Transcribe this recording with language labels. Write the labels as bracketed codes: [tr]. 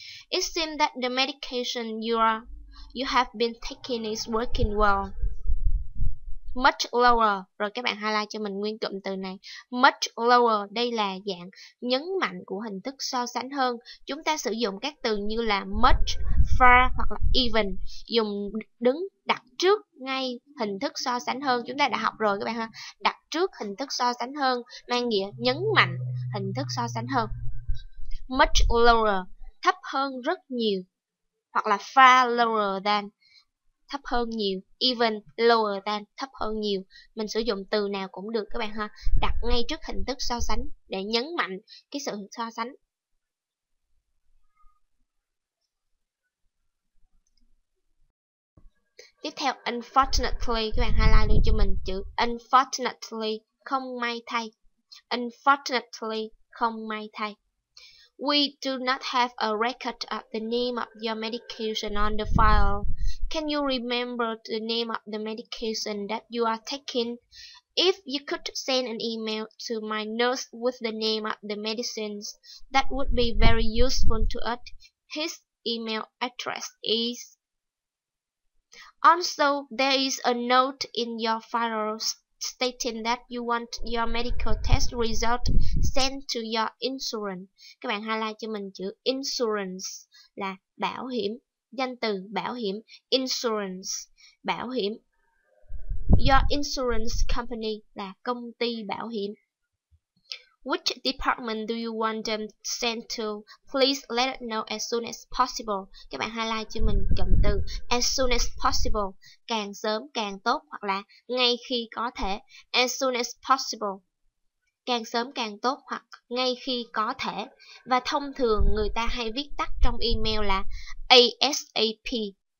[en] It seems that the medication you have been taking is working well. Much lower, [vi] rồi các bạn highlight cho mình nguyên cụm từ này. Much lower, đây là dạng nhấn mạnh của hình thức so sánh hơn. Chúng ta sử dụng các từ như là much, far hoặc là even, dùng đứng đặt trước ngay hình thức so sánh hơn. Chúng ta đã học rồi các bạn ha. Đặt trước hình thức so sánh hơn mang nghĩa nhấn mạnh hình thức so sánh hơn. [en] Much lower, [vi] thấp hơn rất nhiều. Hoặc là [en] far lower than, [vi] thấp hơn nhiều, [en] even lower than, [vi] thấp hơn nhiều. Mình sử dụng từ nào cũng được các bạn ha. Đặt ngay trước hình thức so sánh để nhấn mạnh cái sự so sánh. Tiếp theo, unfortunately, các bạn highlight luôn cho mình chữ unfortunately, không may thay. Unfortunately, không may thay. [en] We do not have a record of the name of your medication on the file. Can you remember the name of the medication that you are taking? If you could send an email to my nurse with the name of the medicines, that would be very useful to us. His email address is... Also, there is a note in your file stating that you want your medical test result sent to your insurance. [vi] Các bạn highlight cho mình chữ insurance là bảo hiểm. Danh từ bảo hiểm, insurance, bảo hiểm. [en] Your insurance company [vi] là công ty bảo hiểm. [en] Which department do you want them sent to? Please let us know as soon as possible. [vi] Các bạn highlight cho mình cụm từ [en] as soon as possible, [vi] càng sớm càng tốt, hoặc là ngay khi có thể. [en] As soon as possible, [vi] càng sớm càng tốt hoặc ngay khi có thể. Và thông thường người ta hay viết tắt trong email là ASAP.